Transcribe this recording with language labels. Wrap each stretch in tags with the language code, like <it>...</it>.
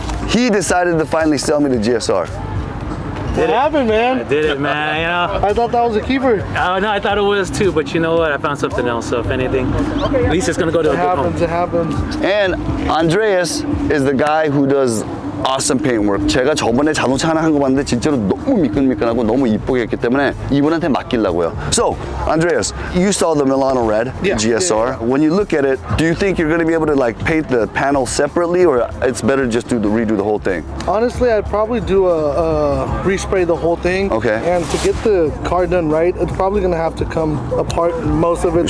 <en>He decided to finally sell me the GSR. Did it happen, man. I did it, man. You know? I thought that was a keeper. No, I thought it was too, but you know what? I found something else, so if anything, at least it's gonna go to it a happens, good home. It happens. And Andreas is the guy who does awesome paintwork.</en> <ko>제가 저번에 자동차 하나 한 거 봤는데 진짜로 너무 미끈미끈하고 너무 이쁘게 했기 때문에 이분한테 맡기려고요.</ko> <en>So, Andreas, you saw the Milano Red yeah. GSR. Yeah, yeah. When you look at it, do you think you're going to be able to like paint the panel separately or it's better just to redo the whole thing? Honestly, I'd probably do a respray the whole thing. Okay. And to get the car done right, it's probably going to have to come apart most of it, the</en>